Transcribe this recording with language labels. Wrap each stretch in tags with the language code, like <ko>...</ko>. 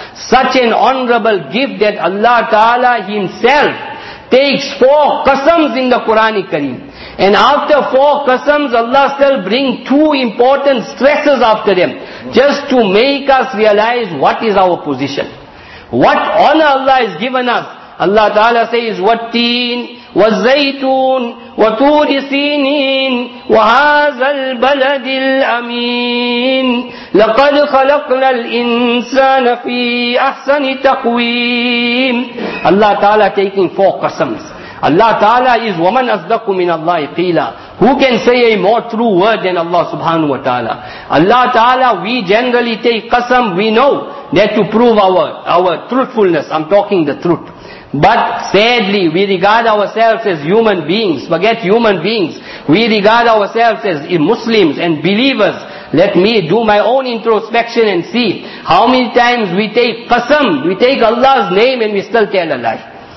<en>Such an honorable gift that Allah ta'ala himself takes four qasams in the Qur'an Kareem. And after four qasams, Allah still bring two important stresses after them, just to make us realize what is our position. What honor Allah has given us.</en> <ar>Allah Ta'ala says, وَالتِّين وَالزَّيْتُون وَطُورِ سِينِين وَهَذَا الْبَلَدِ الْأَمِينِ لَقَدْ خَلَقْنَا الْإِنسَانَ فِي أَحْسَنِ تَقْوِيمٍ.</ar> <en>Allah Ta'ala taking four qasams.</en> <ar>Allah Ta'ala is وَمَنْ أَصْدَقُ مِنَ اللَّهِ قِيلًا.</ar> <en>Who can say a more true word than Allah subhanahu wa ta'ala? Allah Ta'ala, we generally take qasam, we know that to prove our truthfulness, I'm talking the truth. But sadly, we regard ourselves as human beings, forget human beings. We regard ourselves as Muslims and believers. Let me do my own introspection and see how many times we take qasam, we take Allah's name and we still tell a lie.</en>